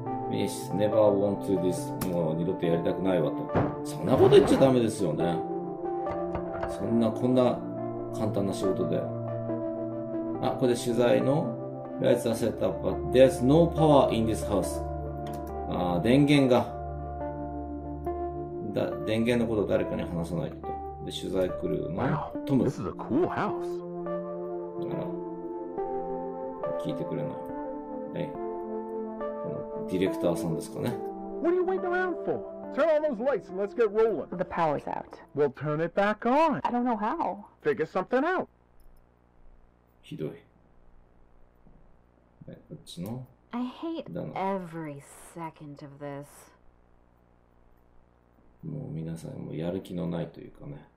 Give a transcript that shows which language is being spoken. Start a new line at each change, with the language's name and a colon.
English: ミス、ネバーウォントゥーディス、
Japanese: もう二度とやりたくないわと。そんなこと言っちゃダメですよね。そんな、こんな簡単な仕事で。あ、これで取材の。
English: Lights are set up, but there's no power in this house.
Japanese: あ、電源が。電源のことを誰かに話さないと。で、取材クルーの、トム。
English: This is a cool house.
Japanese: 聞いてくれない。はい。このディレクターさんですかね。
English: What are you waiting around for? Turn on those lights and let's get rolling. The power's out. We'll turn it back on. I don't know how. Figure something out.
Japanese: ひどい。こっちの。
English: I hate every second of this.
Japanese: もう皆さんもやる気のないというかね。